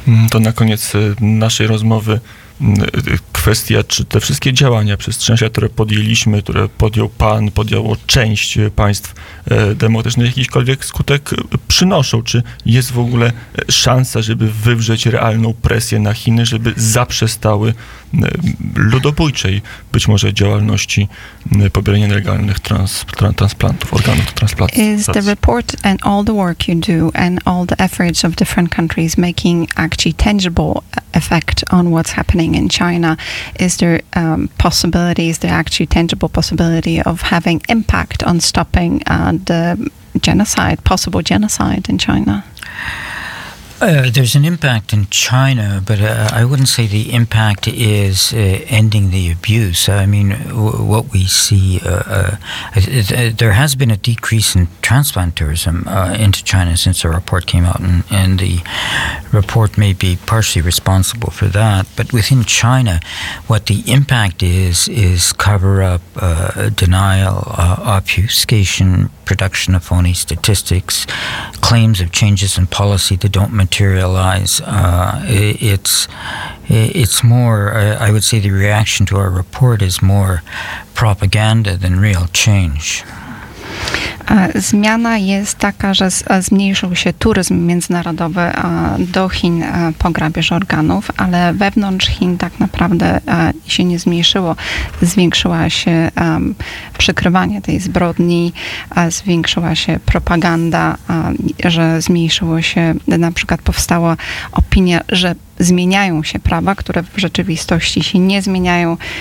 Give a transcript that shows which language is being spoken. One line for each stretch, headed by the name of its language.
Polish: To na koniec naszej rozmowy kwestia, czy te wszystkie działania przez trzęsienia, które podjęliśmy, które podjął pan, podjęło część państw demokratycznych, jakikolwiek skutek przynoszą? Czy jest w ogóle szansa, żeby wywrzeć realną presję na Chiny, żeby zaprzestały ludobójczej być może działalności pobierania nielegalnych transplantów, organów do transplantacji?
English: Is the report and all the work you do and all the efforts of different countries making actually tangible effect on what's happening in China? Is there possibility, is there actually tangible possibility of having impact on stopping the genocide, possible genocide in China? There's an impact in China, but I wouldn't say the impact is ending the abuse. I mean, what we see, there has been a decrease in transplant tourism into China since the report came out, and the report may be partially responsible for that. But within China, what the impact is cover-up, denial, obfuscation, production of phony statistics, claims of changes in policy that don't materialize. It's more, I would say the reaction to our report is more propaganda than real change.
Polish: Zmiana jest taka, że zmniejszył się turyzm międzynarodowy do Chin po grabieżu organów, ale wewnątrz Chin tak naprawdę się nie zmniejszyło. Zwiększyła się przykrywanie tej zbrodni, zwiększyła się propaganda, że zmniejszyło się, na przykład powstała opinia, że zmieniają się prawa, które w rzeczywistości się nie zmieniają.